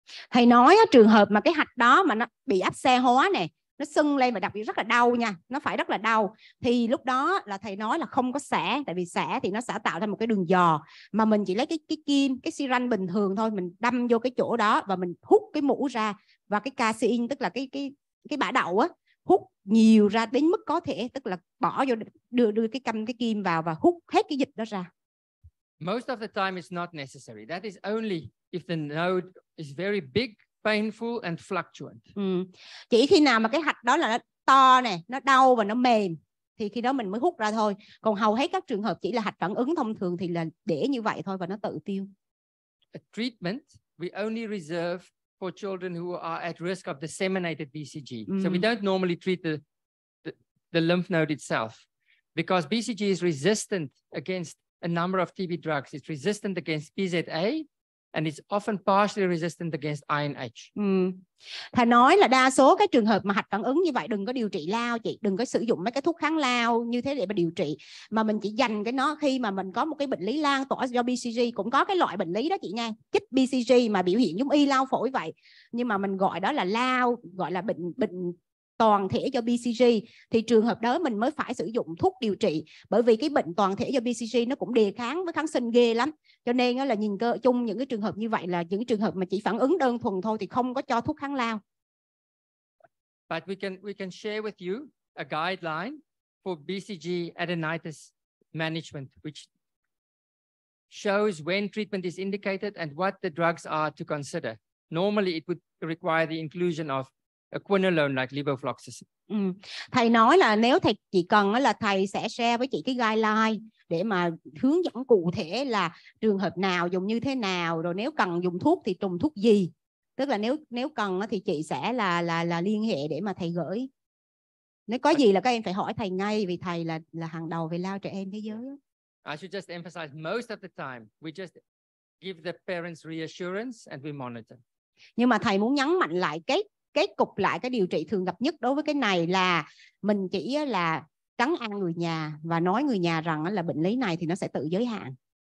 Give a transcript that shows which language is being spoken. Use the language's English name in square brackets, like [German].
[Vietnamese] Thầy nói trường hợp mà cái hạch đó mà nó bị áp xe hóa nè, nó sưng lên và đặc biệt rất là đau nha, nó phải rất là đau, thì lúc đó là thầy nói là không có xẻ, tại vì xẻ thì nó sẽ tạo thành một cái đường giò, mà mình chỉ lấy cái kim, cái syringe bình thường thôi, mình đâm vô cái chỗ đó và mình hút cái mũ ra, và cái casein tức là cái bã đậu á, hút nhiều ra đến mức có thể, tức là bỏ vô đưa cái căm cái kim vào và hút hết cái dịch đó ra. [English] Most of the time it's not necessary. That is only if the node is very big, painful and fluctuant. [Vietnamese] Chỉ khi nào mà cái hạch đó là nó to nè, nó đau và nó mềm thì khi đó mình mới hút ra thôi. Còn hầu hết các trường hợp chỉ là hạch phản ứng thông thường thì là để như vậy thôi và nó tự tiêu. [English] A treatment we only reserve for children who are at risk of disseminated BCG. So we don't normally treat the lymph node itself because BCG is resistant against a number of TB drugs. It's resistant against PZA and it's often partially resistant against INH. [Vietnamese] Thầy nói là đa số cái trường hợp mà hạch phản ứng như vậy đừng có điều trị lao chị, đừng có sử dụng mấy cái thuốc kháng lao như thế để mà điều trị, mà mình chỉ dành cái nó khi mà mình có một cái bệnh lý lan tỏa do BCG. Cũng có cái loại bệnh lý đó chị nha, chích BCG mà biểu hiện giống y lao phổi vậy, nhưng mà mình gọi đó là lao, gọi là bệnh toàn thể do BCG, thì trường hợp đó mình mới phải sử dụng thuốc điều trị. Bởi vì cái bệnh toàn thể do BCG nó cũng đề kháng với kháng sinh ghê lắm, cho nên là nhìn cơ chung những cái trường hợp như vậy là những trường hợp mà chỉ phản ứng đơn thuần thôi thì không có cho thuốc kháng lao. [English] But we can share with you a guideline for BCG adenitis management which shows when treatment is indicated and what the drugs are to consider. Normally it would require the inclusion of a quinolone like levofloxacin. [Vietnamese] Thầy nói là nếu thầy chỉ cần là thầy sẽ share với chị cái guideline để mà hướng dẫn cụ thể là trường hợp nào dùng như thế nào, rồi nếu cần dùng thuốc thì dùng thuốc gì. Tức là nếu nếu cần thì chị sẽ là liên hệ để mà thầy gửi. Nếu có gì là các em phải hỏi thầy ngay vì thầy là hàng đầu về lao trẻ em thế giới. [English] I should just emphasize most of the time we just give the parents reassurance and we monitor. [Vietnamese] Nhưng mà thầy muốn nhấn mạnh lại cái cục lại cái điều trị thường gặp nhất đối với cái này là mình chỉ là trấn an người nhà và nói người nhà rằng là bệnh lý này thì nó sẽ tự giới hạn.